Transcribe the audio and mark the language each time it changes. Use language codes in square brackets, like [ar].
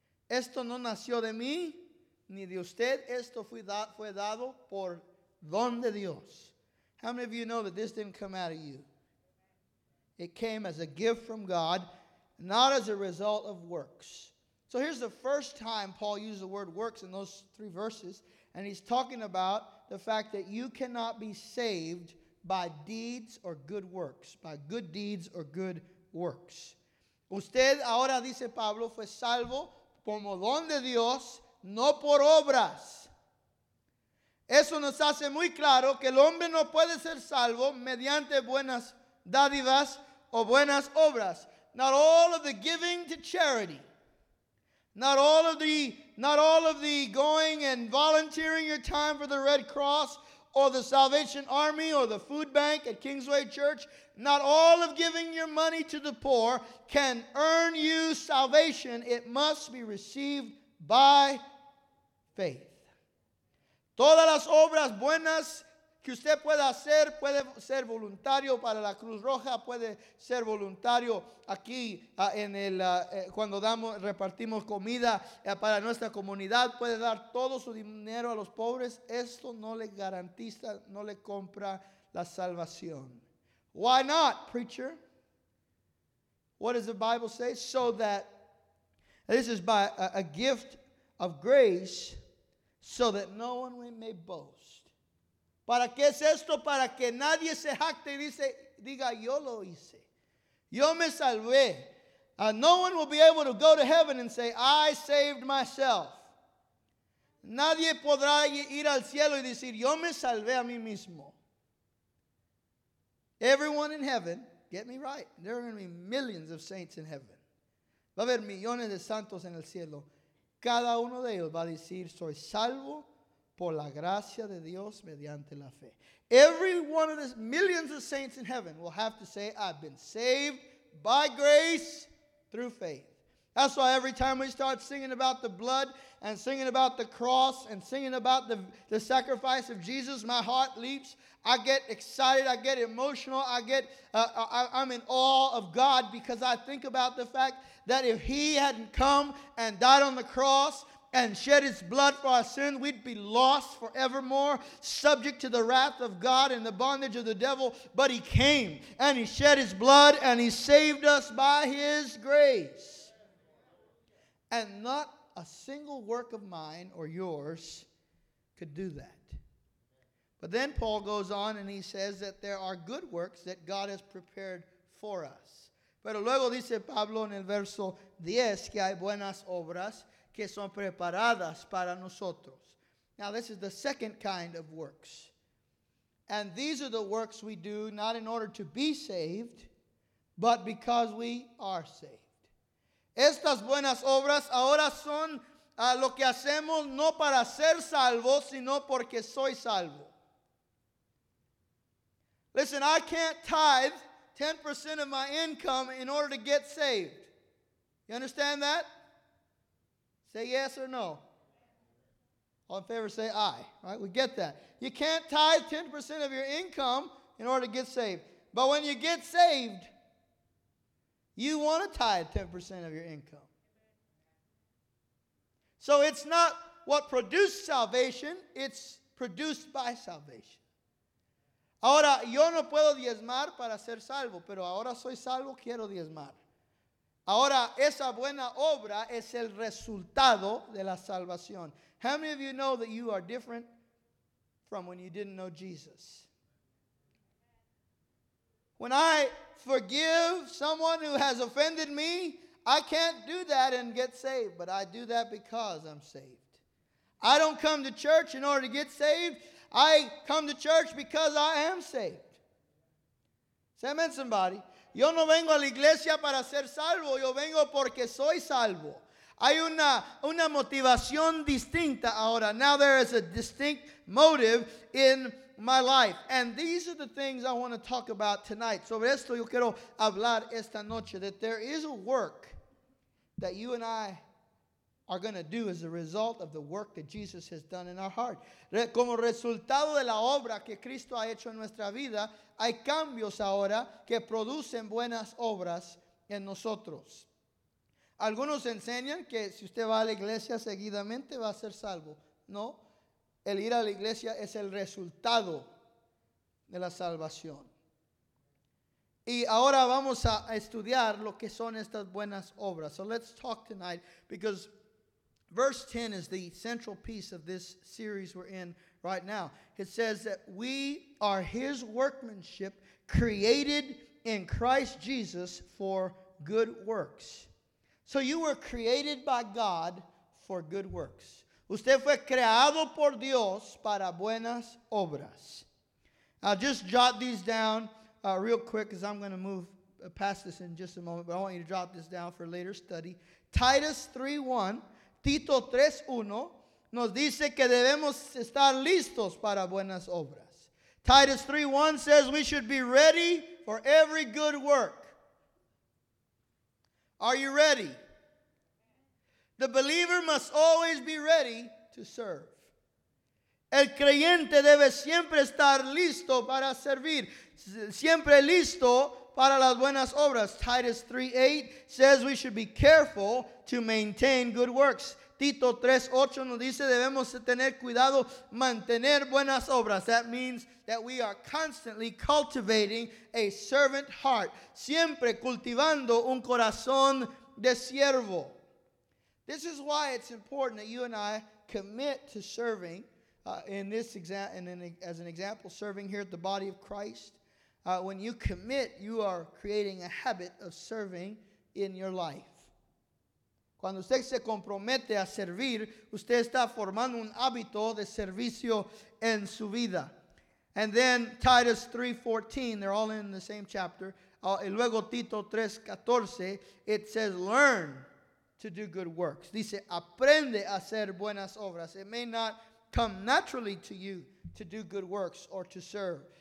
[es] Esto no nació de mí, ni de usted. Esto fue dado por don de Dios. [en] How many of you know that this didn't come out of you? It came as a gift from God, not as a result of works. So here's the first time Paul used the word works in those three verses. And he's talking about the fact that you cannot be saved by deeds or good works. By good deeds or good works. [es] Usted ahora, dice Pablo, fue salvo como don de Dios, no por obras. Eso nos hace muy claro que el hombre no puede ser salvo mediante buenas dádivas o buenas obras. [en] Not all of the giving to charity. Not all of the going and volunteering your time for the Red Cross or the Salvation Army or the food bank at Kingsway Church. Not all of giving your money to the poor can earn you salvation. It must be received by faith. [es] Todas las obras buenas que usted pueda hacer, puede ser voluntario para la Cruz Roja, puede ser voluntario aquí cuando damos, repartimos comida para nuestra comunidad, puede dar todo su dinero a los pobres. Esto no le garantiza, no le compra la salvación. [en] Why not, preacher? What does the Bible say? So that, this is by a gift of grace, so that no one may boast. [es] ¿Para qué es esto? Para que nadie se jacte y diga, yo lo hice. Yo me salvé. [en] No one will be able to go to heaven and say, I saved myself. [es] Nadie podrá ir al cielo y decir, yo me salvé a mí mismo. [en] Everyone in heaven, get me right, there are going to be millions of saints in heaven. [es] Va a haber millones de santos en el cielo. Cada uno de ellos va a decir, soy salvo por la gracia de Dios mediante la fe. [en] Every one of the millions of saints in heaven will have to say, I've been saved by grace through faith. That's why every time we start singing about the blood and singing about the cross and singing about the sacrifice of Jesus, my heart leaps. I get excited, I get emotional, I'm in awe of God because I think about the fact that if he hadn't come and died on the cross and shed his blood for our sin, we'd be lost forevermore, subject to the wrath of God and the bondage of the devil. But he came and he shed his blood and he saved us by his grace. And not a single work of mine or yours could do that. But then Paul goes on and he says that there are good works that God has prepared for us. [es] Pero luego dice Pablo en el verso 10 que hay buenas obras que son preparadas para nosotros. [en] Now this is the second kind of works. And these are the works we do not in order to be saved, but because we are saved. [es] Estas buenas obras ahora son lo que hacemos no para ser salvo, sino porque soy salvo. [en] Listen, I can't tithe 10% of my income in order to get saved. You understand that? Say yes or no. All in favor say aye. Right? We get that. You can't tithe 10% of your income in order to get saved. But when you get saved, you want to tithe 10% of your income. So it's not what produced salvation, it's produced by salvation. [es] Ahora, yo no puedo diezmar para ser salvo, pero ahora soy salvo, quiero diezmar. Ahora, esa buena obra es el resultado de la salvación. [en] How many of you know that you are different from when you didn't know Jesus? When I forgive someone who has offended me, I can't do that and get saved, but I do that because I'm saved. I don't come to church in order to get saved. I come to church because I am saved. Say amen, somebody. [es] Yo no vengo a la iglesia para ser salvo. Yo vengo porque soy salvo. Hay una motivación distinta ahora. [en] Now there is a distinct motive in my life. And these are the things I want to talk about tonight. [es] Sobre esto yo quiero hablar esta noche. [en] That there is a work that you and I are going to do as a result of the work that Jesus has done in our heart. [es] Como resultado de la obra que Cristo ha hecho en nuestra vida, hay cambios ahora que producen buenas obras en nosotros. Algunos enseñan que si usted va a la iglesia seguidamente va a ser salvo. No, el ir a la iglesia es el resultado de la salvación. Y ahora vamos a estudiar lo que son estas buenas obras. [en] So let's talk tonight because verse 10 is the central piece of this series we're in right now. It says that we are his workmanship created in Christ Jesus for good works. So you were created by God for good works. [es] Usted fue creado por Dios para buenas obras. [en] Now just jot these down real quick because I'm going to move past this in just a moment. But I want you to jot this down for later study. Titus 3:1. [es] Tito 3:1 nos dice que debemos estar listos para buenas obras. [en] Titus 3:1 says we should be ready for every good work. Are you ready? The believer must always be ready to serve. [es] El creyente debe siempre estar listo para servir. Siempre listo para las buenas obras. [en] Titus 3:8 says we should be careful to maintain good works. [es] Tito 3:8 nos dice debemos tener cuidado mantener buenas obras. [en] That means that we are constantly cultivating a servant heart. [es] Siempre cultivando un corazón de siervo. [en] This is why it's important that you and I commit to serving as an example, serving here at the body of Christ. When you commit, you are creating a habit of serving in your life. [es] Cuando usted se compromete a servir, usted está formando un hábito de servicio en su vida. [en] And then Titus 3:14, they're all in the same chapter. [es] Y luego Tito 3:14, [en] it says learn to do good works. [es] Dice, aprende a hacer buenas obras. [en] It may not come naturally to you to do good works or to serve.